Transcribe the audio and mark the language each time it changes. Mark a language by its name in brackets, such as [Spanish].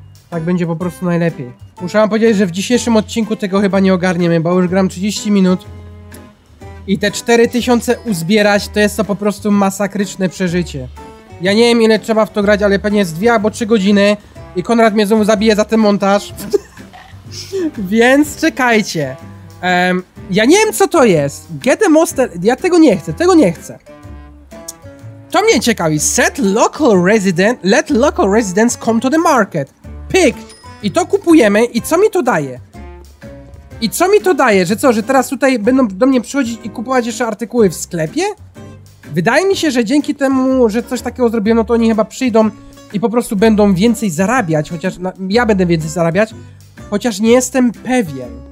[Polish] Tak będzie po prostu najlepiej. Muszę wam powiedzieć, że w dzisiejszym odcinku tego chyba nie ogarniemy, bo już gram 30 minut i te 4000 uzbierać, to jest to po prostu masakryczne przeżycie. Ja nie wiem, ile trzeba w to grać, ale pewnie jest 2 albo 3 godziny i Konrad mnie znowu zabije za ten montaż. Więc czekajcie. Ja nie wiem, co to jest. [English] Get the most... [Polish] Ja tego nie chcę, tego nie chcę. To mnie ciekawi. [English] Set local resident... Let local residents come to the market. [Polish] Pyk! I to kupujemy. I co mi to daje? I co mi to daje? Że co, że teraz tutaj będą do mnie przychodzić i kupować jeszcze artykuły w sklepie? Wydaje mi się, że dzięki temu, że coś takiego zrobiono, to oni chyba przyjdą i po prostu będą więcej zarabiać, chociaż ja będę więcej zarabiać, chociaż nie jestem pewien.